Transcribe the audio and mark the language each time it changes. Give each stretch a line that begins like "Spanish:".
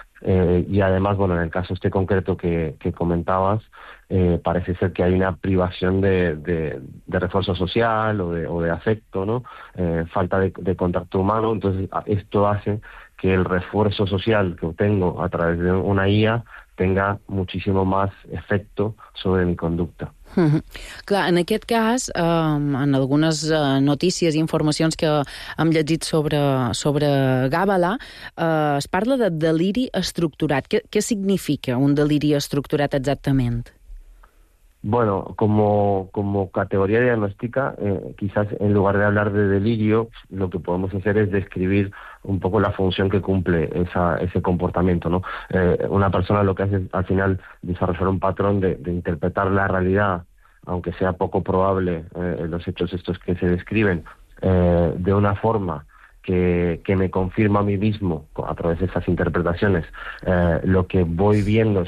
Spanish: Y además, bueno, en el caso este concreto que comentabas, parece ser que hay una privación de refuerzo social o de afecto, ¿no? Falta de contacto humano. Entonces, esto hace que el refuerzo social que obtengo a través de una IA tenga muchísimo más efecto sobre mi conducta.
Catalan: Clar, en aquest cas, en algunes notícies i informacions que hem llegit sobre Gàbala, es parla de deliri estructurat. Què significa un deliri estructurat exactament?
Spanish: Bueno, como categoría diagnóstica, quizás en lugar de hablar de delirio, lo que podemos hacer es describir un poco la función que cumple ese comportamiento, ¿no? Una persona lo que hace es al final desarrollar un patrón de interpretar la realidad, aunque sea poco probable, los hechos estos que se describen, de una forma que me confirma a mí mismo a través de esas interpretaciones lo que voy viendo.